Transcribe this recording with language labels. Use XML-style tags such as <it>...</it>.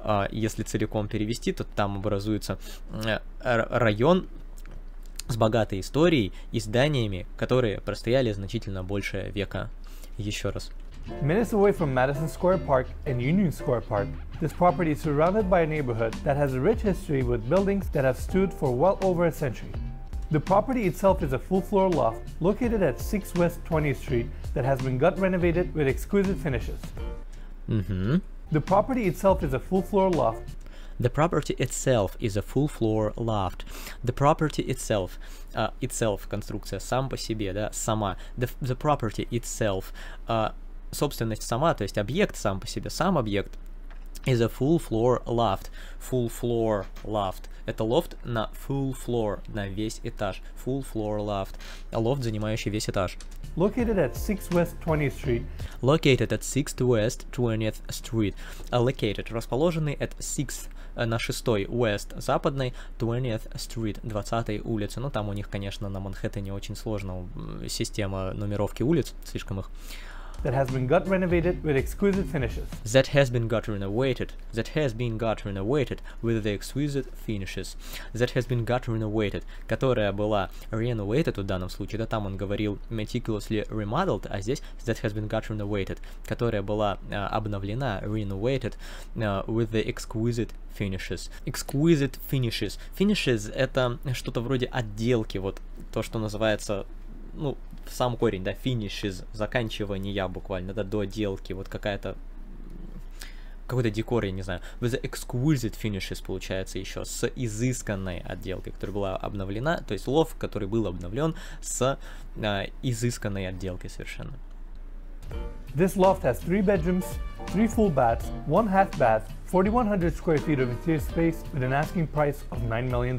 <ru>Если целиком перевести, то там образуется район с богатой историей и зданиями, которые простояли значительно больше века. Еще раз.</ru> <en>Minutes away from Madison Square Park and Union Square Park, this property is surrounded by a neighborhood that has a rich history with buildings that have stood for well over a century. The property itself is a full floor loft located at 6 West 20th Street that has been gut renovated with exquisite finishes. The property itself is a full floor loft. The property itself is a full floor loft. The property itself, itself,</en> <ru>конструкция, сам по себе, да, сама.</ru> <en>The property itself,</en> <ru>собственность сама, то есть объект сам по себе, сам объект,</ru> <en>is a full floor loft. Full floor loft.</en> <ru>Это лофт на</ru> <en>full floor,</en> <ru>на весь этаж.</ru> <en>Full floor loft.</en> <ru>Лофт, занимающий весь этаж.</ru> <en>Located at 6 West 20th Street. Located at 6 West 20th Street. Located.</en> <ru>Расположенный at 6th, на 6-й West, западной 20th Street, 20-й улице. Ну, там у них, конечно, на Манхэттене очень сложно система нумеровки улиц, слишком их.</ru> <en>That has been gut renovated with exquisite finishes. That has been gut renovated. That has been gut renovated with the exquisite finishes. That has been gut renovated,</en> <ru>которая была renovated в данном случае. Да, там он говорил</ru> <en>meticulously remodeled,</en> <ru>а здесь that has been gut renovated, которая была обновлена</ru> <en>renovated with the exquisite finishes. Exquisite finishes.</en> <ru>Finishes — это что-то вроде отделки, вот то, что называется, ну, сам корень, да, finishes, заканчивание буквально, да, доделки, вот какая-то какой-то декор, я не знаю,</ru> <en>with the exquisite finishes,</en> <ru>получается, еще с изысканной отделкой, которая была обновлена, то есть лофт, который был обновлен с изысканной отделкой совершенно.</ru> <en>This loft has 3 bedrooms, 3 full baths, 1 half bath, 4100 square feet of interior space with an asking price of $9 million.</en>